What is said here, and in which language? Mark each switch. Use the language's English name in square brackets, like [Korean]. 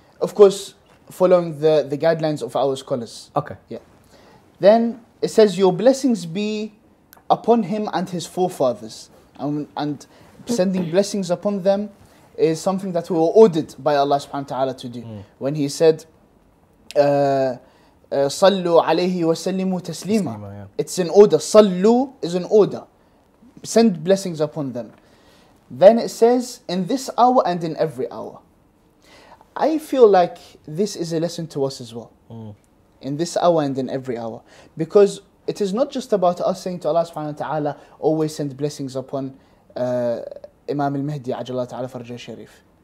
[English] Of course, following the guidelines of our scholars. Okay. Yeah. Then it says, your blessings be upon him and his forefathers. And sending blessings upon them is something that we were ordered by Allah subhanahu wa ta'ala to do. Mm. When he said, [Arabic] صَلُّوا عَلَيْهِ وَسَلِّمُوا تَسْلِيمًا. [English] It's an order. [Arabic] صَلُّوا [English] is an order. Send blessings upon them. Then it says, in this hour and in every hour. I feel like this is a lesson to us as well. Mm. In this hour and in every hour. Because it is not just about us saying to Allah subhanahu wa ta'ala, always send blessings upon Imam al-Mahdi, ajalla ta'ala farja sharif.